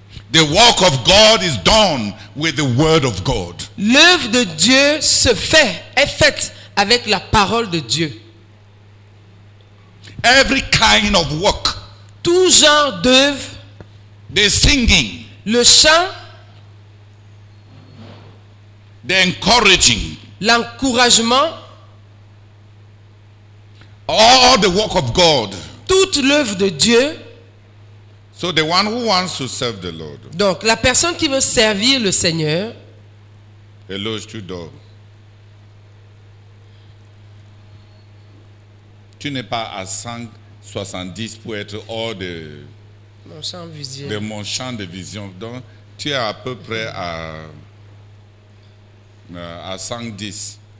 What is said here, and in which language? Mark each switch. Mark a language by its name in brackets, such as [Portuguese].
[English] The work of God is done with the word of God. [French] L'œuvre de Dieu se fait, est faite avec la parole de Dieu. [English] Every kind of work. [French] Tout genre d'œuvre. [English] The singing. [French] Le chant. [English] The encouraging. [French] L'encouragement. [English] All the work of God. [French] Toute l'œuvre de Dieu. [English] So the one who wants to serve the Lord. [French] Donc la personne qui veut servir le Seigneur. Hello, tu dors. Tu n'es pas à 170 pour être hors de mon champ de vision. De mon champ de vision. Donc tu es à peu près à 110.